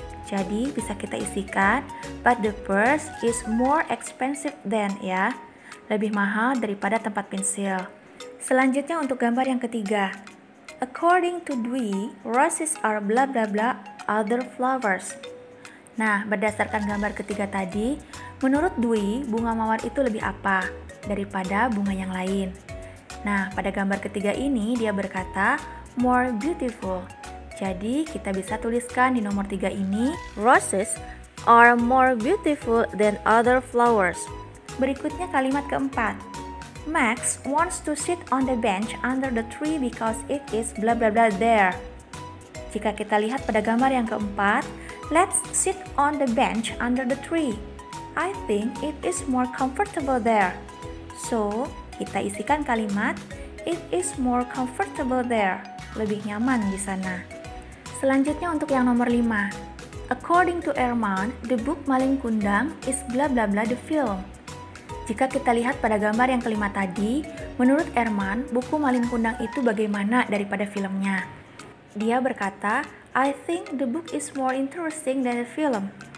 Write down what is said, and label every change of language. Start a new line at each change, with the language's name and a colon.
Indonesian: Jadi bisa kita isikan,
English: but the purse is more expensive than ya.
Indonesian: Lebih mahal daripada tempat pensil. Selanjutnya untuk gambar yang ketiga.
English: According to Dwi, roses are blah blah blah other flowers.
Indonesian: Nah, berdasarkan gambar ketiga tadi, menurut Dwi, bunga mawar itu lebih apa daripada bunga yang lain. Nah, pada gambar ketiga ini dia berkata more beautiful. Jadi kita bisa tuliskan di nomor 3 ini,
English: roses are more beautiful than other flowers.
Indonesian: Berikutnya kalimat keempat.
English: Max wants to sit on the bench under the tree because it is blah blah blah there.
Indonesian: Jika kita lihat pada gambar yang keempat,
English: let's sit on the bench under the tree. I think it is more comfortable there. So,
Indonesian: kita isikan kalimat,
English: it is more comfortable there.
Indonesian: Lebih nyaman di sana. Selanjutnya untuk yang nomor 5.
English: According to Erman, the book Maling Kundang is blah blah blah the film.
Indonesian: Jika kita lihat pada gambar yang kelima tadi, menurut Erman, buku Maling Kundang itu bagaimana daripada filmnya? Dia berkata,
English: I think the book is more interesting than the film.